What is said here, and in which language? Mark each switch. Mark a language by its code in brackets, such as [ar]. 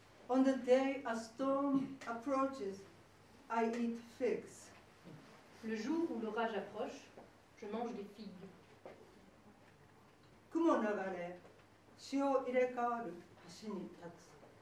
[en] On the day a storm approaches, I eat figs. [fr] Le jour où l'orage approche, je mange des figues. [ja] 雲流れ、潮入れ替わる橋に立つ.